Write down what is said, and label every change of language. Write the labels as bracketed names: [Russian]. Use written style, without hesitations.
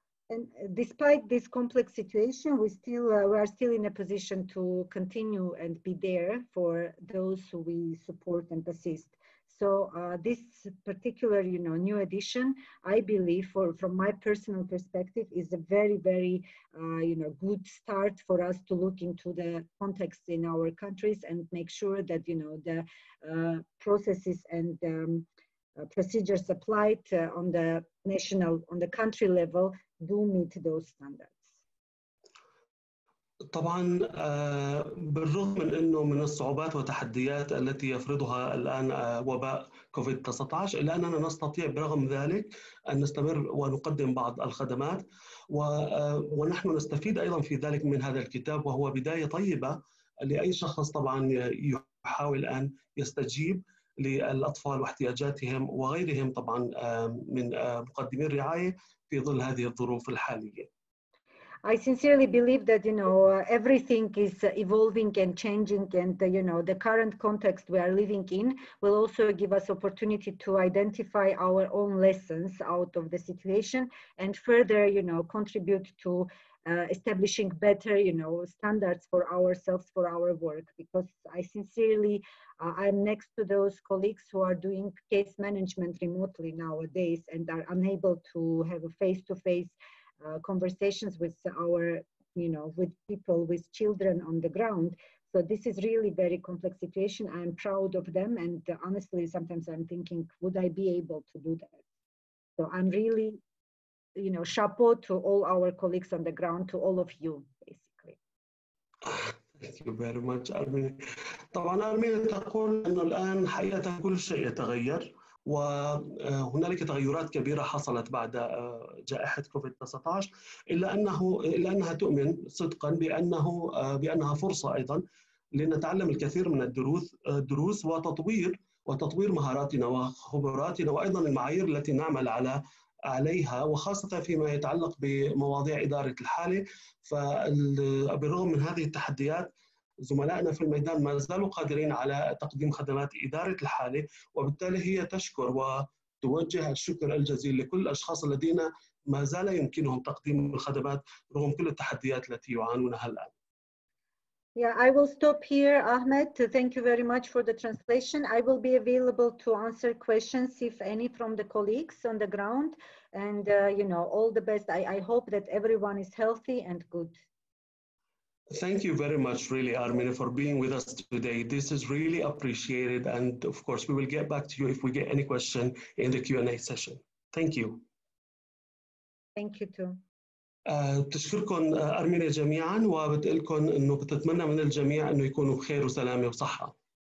[English] And despite this complex situation, we are still in a position to continue and be there for those who we support and assist. So this particular, you know, new edition, I believe, for from my personal perspective, is a very, very, you know, good start for us to look into the context in our countries and make sure that, you know, the processes and procedures applied on the national, on the country level, do meet those standards. [Arabic] طبعا بالرغم من انه من الصعوبات والتحديات التي يفرضها الان وباء كوفيد 19 الا اننا نستطيع برغم ذلك ان نستمر ونقدم بعض الخدمات ونحن نستفيد ايضا في ذلك من هذا الكتاب وهو بدايه طيبه لاي شخص طبعا يحاول ان يستجيب للاطفال واحتياجاتهم وغيرهم طبعا من مقدمي الرعايه في ظل هذه الظروف الحاليه. [English] I sincerely believe that, you know, everything is evolving and changing and, you know, the current context we are living in will also give us opportunity to identify our own lessons out of the situation and further, you know, contribute to establishing better, you know, standards for ourselves, for our work. Because I sincerely, I'm next to those colleagues who are doing case management remotely nowadays and are unable to have a face-to-face conversations with our, you know, with people, with children on the ground. So this is really very complex situation. I'm proud of them. And honestly, sometimes I'm thinking, would I be able to do that? So I'm really, you know, chapeau to all our colleagues on the ground, to all of you, basically. Thank you very much, Armin. [Arabic] طبعا Armin تقول أنه الآن حقيقة كل شيء يتغير. وهنالك تغيرات كبيرة حصلت بعد جائحة كوفيد 19 إلا أنها تؤمن صدقا بأنها فرصة أيضا لنتعلم الكثير من الدروس وتطوير مهاراتنا وخبراتنا وأيضا المعايير التي نعمل عليها وخاصة فيما يتعلق بمواضيع إدارة الحالة. فبالرغم من هذه التحديات زملائنا في الميدان ما زالوا قادرين على تقديم خدمات إدارة الحالة وبالتالي هي تشكر وتوجه الشكر الجزيل لكل الأشخاص الذين ما زال يمكنهم تقديم الخدمات رغم كل التحديات التي يعانونها الآن. [English] Yeah, I will stop here, Ahmed. Thank you very much for the translation. I will be available to answer questions, if any, from the colleagues on the ground. And, you know, all the best. I hope that everyone is healthy and good. Thank you very much, really, Armin, for being with us today. This is really appreciated. And of course, we will get back to you if we get any question in the Q&A session. Thank you. Thank you, too. [Arabic] بتشكركم أرمينيا جميعا وبتقول لكم انه بتتمنى من الجميع انه يكونوا بخير وسلامه وصحه.